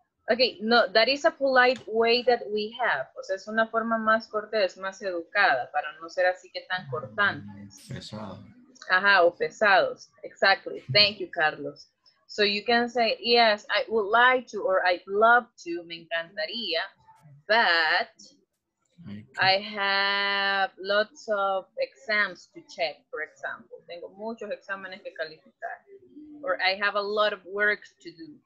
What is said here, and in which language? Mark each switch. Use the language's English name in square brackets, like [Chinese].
[English] Okay, no, that is a polite way that we have. [Spanish] O sea, es una forma más cortés, más educada, para no ser así que tan cortantes. Pesados. Ajá, o pesados. [English] Exactly. Thank you, Carlos. So you can say, yes, I would like to, or I'd love to, [Spanish] me encantaría, [English] but I have lots of exams to check, for example. [Spanish] Tengo muchos exámenes que calificar. [English] Or I have a lot of work to do.